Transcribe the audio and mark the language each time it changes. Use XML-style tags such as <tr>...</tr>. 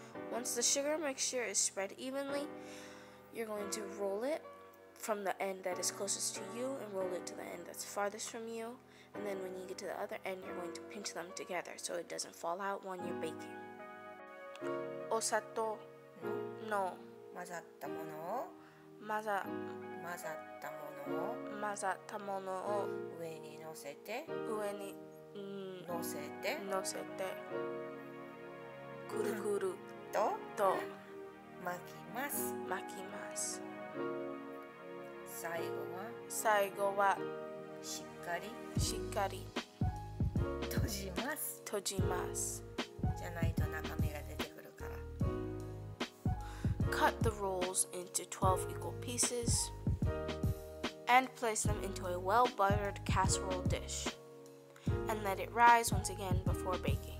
<en>Once the sugar mixture is spread evenly, you're going to roll it from the end that is closest to you and roll it to the end that's farthest from you. And then when you get to the other end, you're going to pinch them together so it doesn't fall out when you're baking.</en> <ja>お砂糖の混ざったものを混ざったものを混ざったものを上に乗せて上に乗せて乗せてくるくると、と巻きます巻きます最後は最後はしっかりしっかり閉じます閉じますじゃないと中身が出てくるから</ja> <en>Cut the rolls into 12 equal pieces and place them into a well-buttered casserole dish and let it rise once again before baking</en>